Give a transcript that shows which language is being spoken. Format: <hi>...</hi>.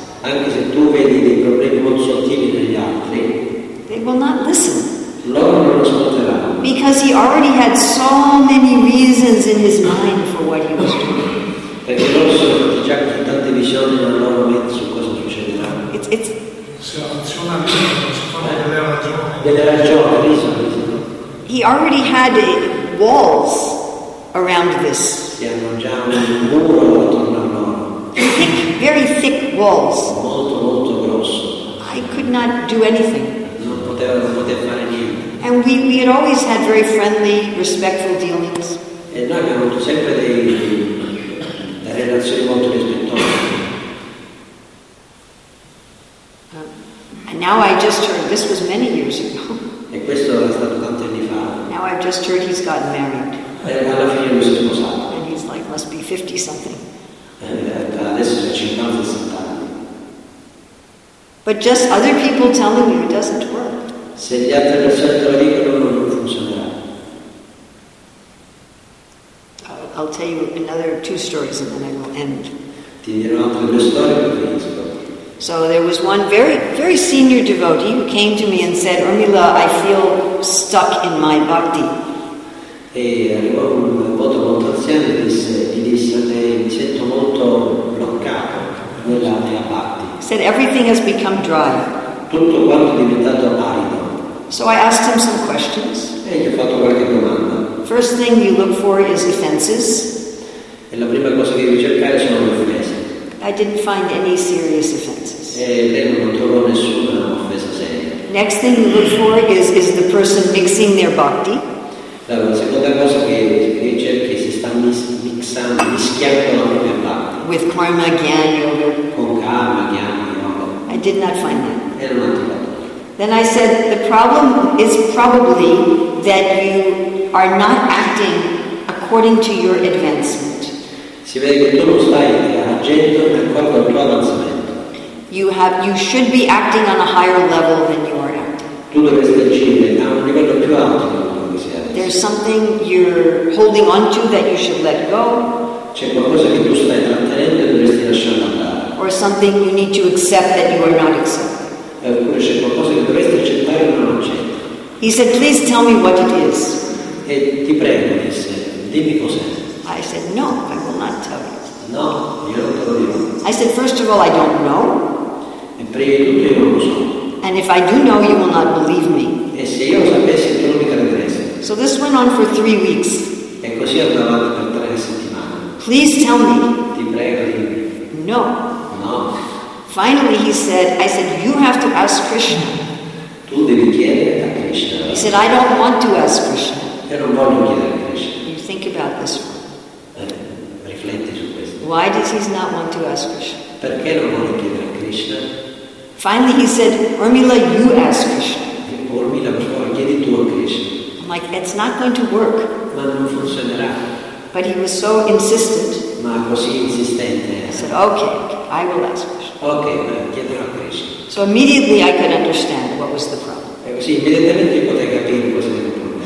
<it>anche se tu vedi dei problemi molto sottili negli altri,</it> <en>they will not listen.</en> <it>Loro non ascolteranno.</it> <en>Because he already had so many reasons in his mind for what he was doing.</en> <it>Perché loro sono già con tante visioni nel loro mente su cosa succederà.</it> <en>It's</en> <it>Delle ragioni.</it> <en>He already had walls around this. Thick, very thick walls.</en> <it>Molto, molto grosso.</it> <en>I could not do anything.</en> <it>Non potevo fare niente.</it> <en>And we had always had very friendly, respectful dealings.</en> <it>E noi abbiamo avuto sempre delle relazioni molto rispettose.</it> <en>And now I just heard, this was many years ago.</en> <it>E questo è stato tanti anni fa.</it> <en>Now I've just heard he's gotten married.</en> <it>E alla fine lui si è sposato.</it> <en>And he's like, must be 50-something.</en> <it>Adesso è</it> <en>50-something. But just other people telling you it doesn't work.</en> <it>Se gli altri persone te lo dicono, non funzionerà.</it> <en>I'll tell you another two stories and then I will end.</en> <it>Ti dirò altre due storie per finire.</it> <en>So there was one very, very senior devotee who came to me and said, Urmila, I feel stuck in my bhakti.</en> <it>E arrivò un devoto molto anziano e gli disse a lei, mi sento molto bloccato nella mia bhakti.</it> <en>Said, everything has become dry.</en> <it>Tutto quanto è diventato arido.</it> <en>So I asked him some questions.</en> <it>E gli ho fatto qualche domanda.</it> <en>First thing you look for is offenses.</en> <it>E la prima cosa che devi cercare sono le offese.</it> <en>I didn't find any serious offenses.</en> <it>E lei non trovò nessuna offesa seria.</it> <en>Next thing you look for is the person mixing their bhakti.</en> <it>La seconda cosa che cerchi si sta mischiando la propria bhakti.</it> <en>With karma gyan yoga.</en> <it>Con karma gyan yoga.</it> <en>I did not find that.</en> <it>E non l'ho trovato.</it> <en>Then I said the problem is probably that you are not acting according to your advancement.</en> <it>Si vede che tu non stai agendo per quanto al tuo avanzamento.</it> <en>You should be acting on a higher level than you are acting.</en> <it>Tu dovresti agire a un livello più alto.</it> <en>There's something you're holding on to that you should let go.</en> <it>C'è qualcosa che tu stai trattenendo e dovresti lasciare andare.</it> <en>Or something you need to accept that you are not accepting.</en> <it>Oppure c'è qualcosa che dovresti accettare e non accetti.</it> <en>He said, please tell me what it is.</en> <it>E ti prego, disse, dimmi cos'è.</it> <en>I said, no, I will not tell you.</en> <it>No, io non te lo dirò.</it> <en>I said, first of all, I don't know.</en> <it>E prima di tutto io non lo so.</it> <en>And if I do know, you will not believe me.</en> <it>E se io lo sapessi, tu non mi crederesti.</it> <en>So this went on for 3 weeks.</en> <it>E così andava per 3 settimane.</it> <en>Please tell me.</en> <it>Ti prego, dimmi.</it> <en>No.</en> <it>No.</it> <en>Finally he said, I said, you have to ask Krishna.</en> <it>Tu devi chiedere a Krishna.</it> <en>He said, I don't want to ask Krishna.</en> <it>Io non voglio chiedere a Krishna.</it> <en>You think about this one.</en> <it>Rifletti su questo.</it> <en>Why does he not want to ask Krishna?</en> <it>Perché non vuole chiedere a Krishna?</it> <en>Finally he said, Urmila, you ask Krishna.</en> <it>Urmila, per favore, chiedi tu a Krishna.</it> <en>I'm like, it's not going to work.</en> <it>Ma non funzionerà.</it> <en>But he was so insistent.</en> <it>Ma così insistente.</it> <en>I said, okay, I will ask Krishna.</en> <it>Okay, chiederò a Krishna.</it> <en>So immediately I could understand what was the problem.</en> <it>Sì, immediatamente potevo capire cosa era il problema.</it>